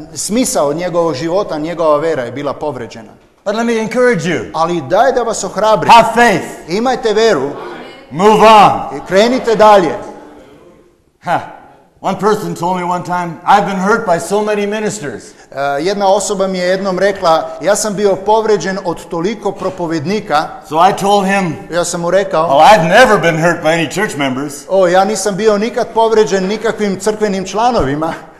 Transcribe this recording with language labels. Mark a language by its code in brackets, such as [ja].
[hr] Smisao njegovog života, njegova vera je bila povređena. [en] But let me encourage you. [hr] Ali daj da vas ohrabri. [en] Have faith. [hr] Imajte veru. [en] Move on. [hr] I krenite dalje. [en] One person told me one time, I've been hurt by so many ministers. [hr] Jedna osoba mi je jednom rekla, ja sam bio povređen od toliko propovednika. [en] So I told him, [hr] ja sam mu rekao, [en] well, I've never been hurt by any church members. [hr] Oh, ja nisam bio nikad povređen nikakvim crkvenim članovima.